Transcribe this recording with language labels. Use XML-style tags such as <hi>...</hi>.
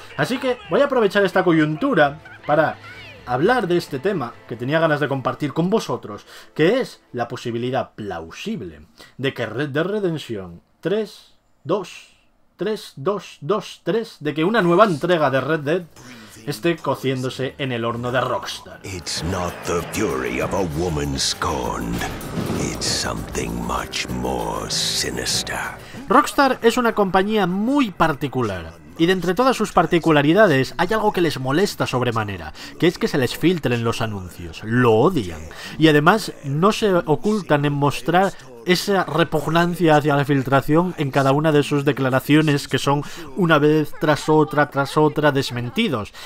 <es>Así que voy a aprovechar esta coyuntura para hablar de este tema que tenía ganas de compartir con vosotros, que es la posibilidad plausible de que Red Dead Redemption 3, 2, 3, 2, 2, 3, de que una nueva entrega de Red Dead esté cociéndose en el horno de Rockstar.</es> <en>It's not the fury of a woman scorned. It's something much more sinister.</en> <es>Rockstar es una compañía muy particular. Y de entre todas sus particularidades, hay algo que les molesta sobremanera, que es que se les filtren los anuncios. Lo odian. Y además, no se ocultan en mostrar esa repugnancia hacia la filtración en cada una de sus declaraciones, que son una vez tras otra desmentidos.</es>